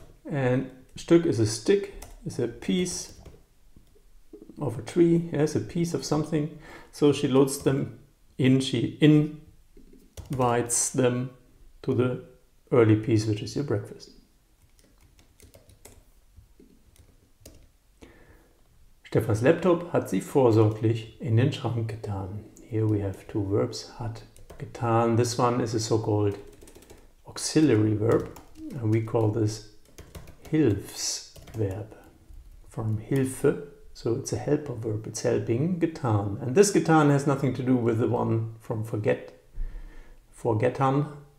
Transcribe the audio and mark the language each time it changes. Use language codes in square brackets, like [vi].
[en] And Stück is a stick, is a piece of a tree, yeah, it's a piece of something. So she loads them in, she invites them to the early piece, which is your breakfast. [de] Stefans Laptop hat sie vorsorglich in den Schrank getan. [en] Here we have two verbs, [de] hat getan. [en] This one is a so-called auxiliary verb, and we call this Hilfsverb from Hilfe. So it's a helper verb, it's helping, getan. And this getan has nothing to do with the one from forgetan.